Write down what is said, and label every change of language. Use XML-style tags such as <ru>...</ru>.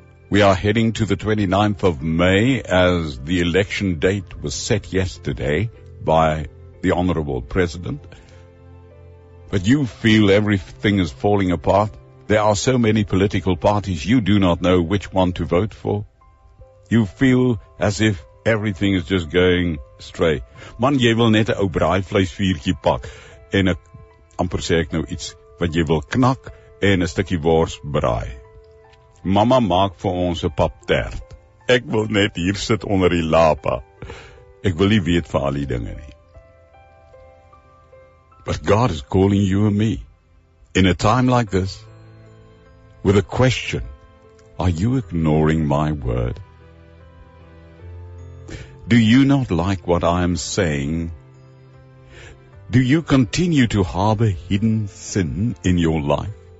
<en>We are heading to the 29th of May, as the election date was set yesterday by the Honorable President. But you feel everything is falling apart. There are so many political parties, you do not know which one to vote for. You feel as if everything is just going astray.</en> <af>Man, jy wil net 'n ou braaivleis vuurtjie pak en 'n amper sê ek nou iets wat jy wil knak en 'n stukkie wors braai. Mama maak vir ons 'n paptert. Ek wil net hier sit onder die lapa. Ek wil nie weet van al die dinge nie.</af> <en>But God is calling you and me in a time like this with a question. Are you ignoring my word? Do you not like what I am saying? Do you continue to harbor hidden sin in your life?</en>